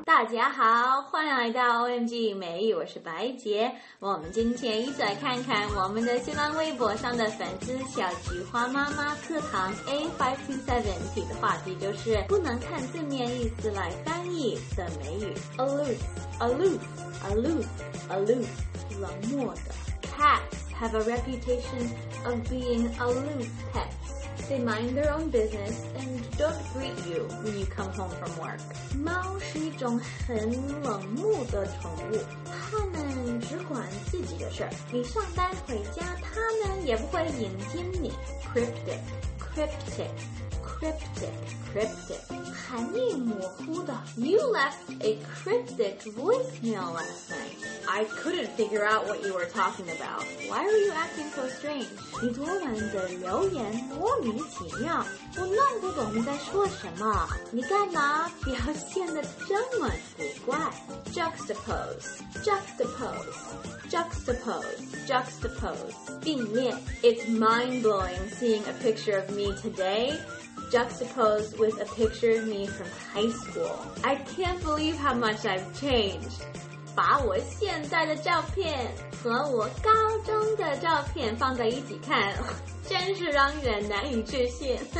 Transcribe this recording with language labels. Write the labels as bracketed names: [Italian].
[Chinese] 家好，欢迎来到 OMG 美语，我是白洁。我们今天一起来看看我们的新浪微博上的粉丝小菊花妈妈课堂 A527 提的话题，就是不能看字面意思来翻译的美语。 [English] Aloof, aloof, aloof, aloof, [Chinese] 冷漠的。 [English] Cats have a reputation of being aloof pets. They mind their own business and don't greet you when you come home from work. [Chinese] 猫是一种很冷漠的宠物，它们只管自己的事儿。你上班回家，它们也不会迎接你。 [English] Cryptic, cryptic, cryptic, cryptic. [Chinese] 含义模糊的。 [English] You left a cryptic voicemail last night. I couldn't figure out what you were talking about. Why are you acting so strange? [Chinese] 你昨晚的留言莫名其妙，我弄不懂你在说什么。你干嘛表现得这么古怪 [English] ？Juxtapose, juxtapose, juxtapose, juxtapose, [Chinese] 并列。 [English] It's mind-blowing seeing a picture of me today. Juxtaposed with a picture of me from high school. I can't believe how much I've changed. [Chinese] 把我现在的照片和我高中的照片放在一起看，真是让人难以置信。